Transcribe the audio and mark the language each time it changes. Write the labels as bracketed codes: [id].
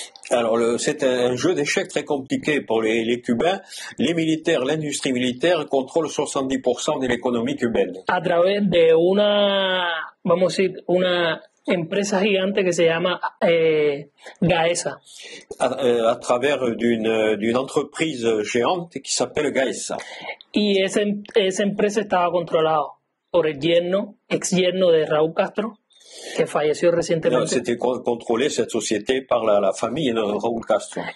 [fr] Alors, c'est un jeu d'échecs très compliqué pour les Cubains. Les militaires, l'industrie militaire contrôle 70% de l'économie cubaine. [es] A través de una, vamos a decir, una empresa gigante que se llama Gaesa. [fr] À travers d'une entreprise géante qui s'appelle Gaesa. [es] Y esa empresa estaba controlada por el yerno, ex yerno de Raúl Castro, que falleció recientemente. [fr] No, c'était contrôlé cette société par la famille de Raúl Castro.